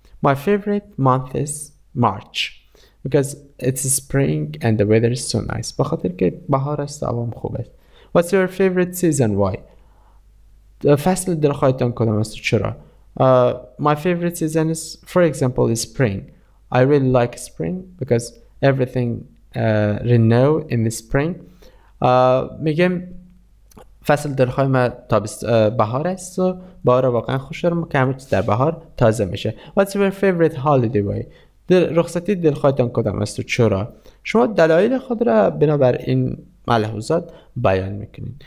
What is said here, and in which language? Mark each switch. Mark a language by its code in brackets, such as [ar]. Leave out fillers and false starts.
[en] My favorite month is March because it's spring and the weather is so nice. [fa] بخاطر که بهار است و هوا خوب است. [en] What's your favorite season? Why? [fa] فصل دلخواهتان کدام است و چرا. [en] My favorite season is, for example, is spring. I really like spring because everything renew in the spring. [fa] میگم فصل دلخواهم تابست بهار است و بهار واقعا خوش دارم که همه چیز در بهار تازه میشه. [en] What's your favorite holiday way? [fa] رخصتی دلخواهتان کدام است و چرا؟ شما دلایل خود را بنابر این ملحوظات بیان میکنین.